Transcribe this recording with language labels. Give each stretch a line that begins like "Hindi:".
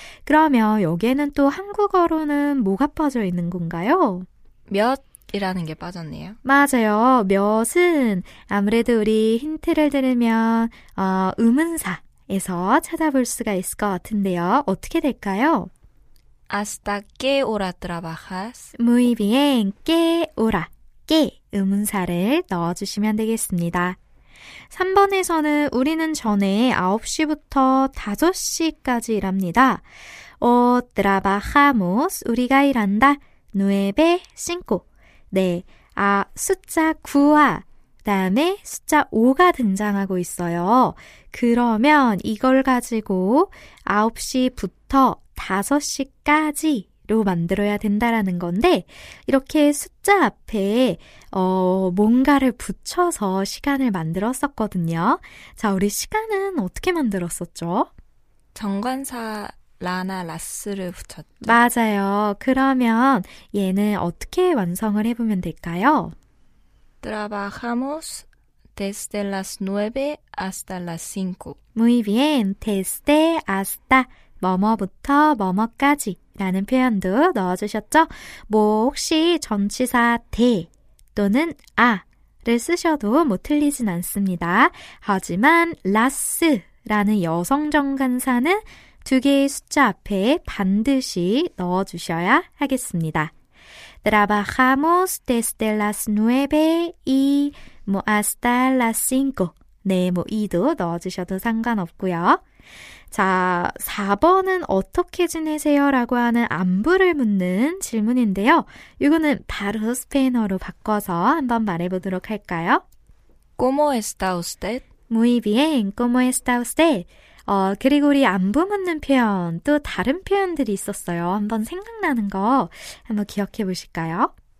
Korean: 그러면 여기에는 또 한국어로는 뭐가 빠져 있는 건가요? 몇이라는 게 빠졌네요. 맞아요. 몇은 아무래도 우리 힌트를 들으면 의문사에서 찾아볼 수가 있을 것 같은데요. 어떻게 될까요?
Spanish: Hasta qué hora trabajas? Muy bien. Qué hora.
Korean: 깨 의문사를 넣어주시면 되겠습니다. 3번에서는 우리는 전에 9시부터 5시까지 일합니다.
Spanish: O trabajamos,
Korean: 우리가 일한다. 9, 5. 네, 아, 숫자 9와 다음에 숫자 5가 등장하고 있어요. 그러면 이걸 가지고 9시부터 5시까지 로 만들어야 된다라는 건데 이렇게 숫자 앞에 뭔가를 붙여서 시간을 만들었었거든요. 자, 우리 시간은 어떻게 만들었었죠? 정관사 라나 라스를 붙였죠. 맞아요. 그러면 얘는 어떻게 완성을 해보면 될까요?
Spanish: Trabajamos desde las 9 hasta las 5. Muy bien. Desde hasta
Korean: 뭐뭐부터 뭐뭐까지 라는 표현도 넣어주셨죠? 뭐 혹시 전치사 대 또는 아를 쓰셔도 뭐 틀리진 않습니다. 하지만 라스라는 여성정관사는 두 개의 숫자 앞에 반드시 넣어주셔야 하겠습니다.
Spanish: Trabajamos desde las 9 y hasta las 5.
Korean: 네, 뭐 이도 넣어주셔도 상관없고요. 자, 4번은 어떻게 지내세요? 라고 하는 안부를 묻는 질문인데요. 이거는 바로 스페인어로 바꿔서 한번 말해보도록 할까요?
Spanish: ¿Cómo está usted? Muy bien, ¿cómo está usted?
Korean: 그리고 우리 안부 묻는 표현, 또 다른 표현들이 있었어요. 한번 생각나는 거 한번 기억해 보실까요?